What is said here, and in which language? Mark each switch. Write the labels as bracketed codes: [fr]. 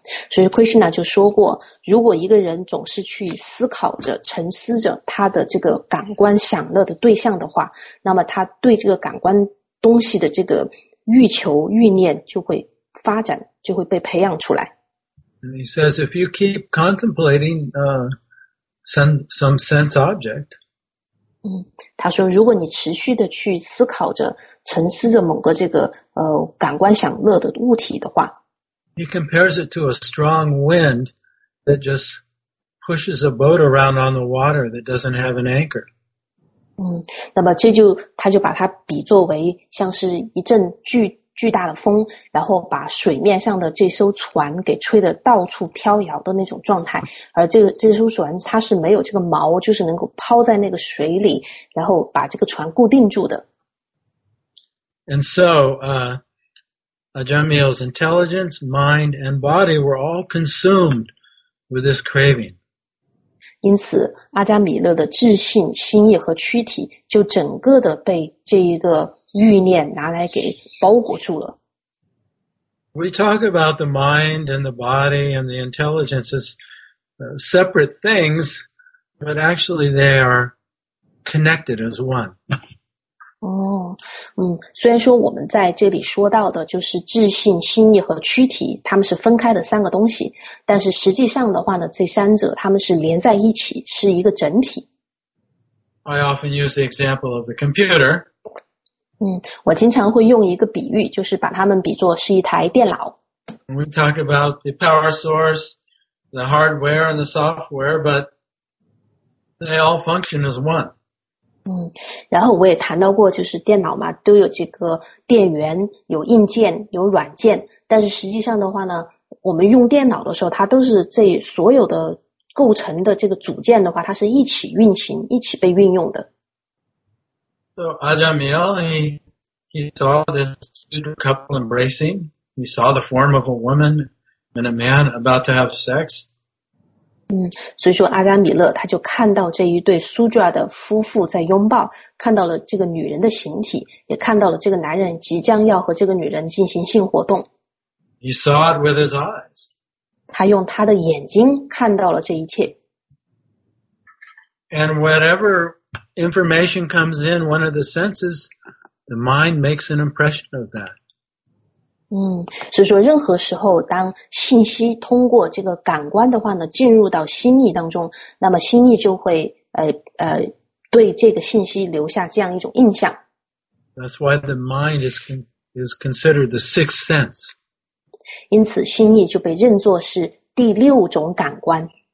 [zh] 所以 Krishna 就说过如果一个人总是去思考着沉思着他的这个感官享乐的对象的话那么他对这个感官东西的这个欲求欲念就会发展就会被培养出来 [en] And he says if you keep contemplating some sense object [zh] 他说如果你持续的去思考着沉思着某个这个感官享乐的物体的话 [en] He compares it to a strong wind that just pushes a boat around on the water that doesn't have an anchor. [zh] 那么这就他就把它比作为像是一阵巨大的风，然后把水面上的这艘船给吹得到处飘摇的那种状态。而这艘船它是没有这个锚，就是能够抛在那个水里，然后把这个船固定住的。 [en] And so, Ajamil's intelligence, mind, and body were all consumed with this craving. [zh] 因此，阿加米勒的智性、心意和躯体就整个的被这一个欲念拿来给包裹住了。 [en] We talk about the mind and the body and the intelligence as separate things, but actually they are connected as one. [zh] 虽然说我们在这里说到的就是智性、心意和躯体，他们是分开的三个东西，但是实际上的话呢，这三者他们是连在一起，是一个整体。 [en] I often use the example of the computer. [zh] 我经常会用一个比喻，就是把它们比作是一台电脑。 [en] We talk about the power source, the hardware and the software, but they all function as one. [zh] 然后我也谈到过就是电脑嘛都有这个电源有硬件有软件但是实际上的话呢我们用电脑的时候它都是这所有的构成的这个组件的话它是一起运行一起被运用的。 [en] So, Ajamil, he saw this pseudo couple embracing, he saw the form of a woman and a man about to have sex. [zh] 所以说阿加米勒他就看到这一对苏扎的夫妇在拥抱看到了这个女人的形体也看到了这个男人即将要和这个女人进行性活动。 [en] He saw it with his eyes. [zh] 他用他的眼睛看到了这一切。 [en] And whatever information comes in one of the senses, the mind makes an impression of that. [zh] 所以说任何时候当信息通过这个感官的话呢进入到心意当中那么心意就会对这个信息留下这样一种印象。 [en] That's why the mind is considered the sixth sense. [zh] 因此心意就被认作是第六种感官。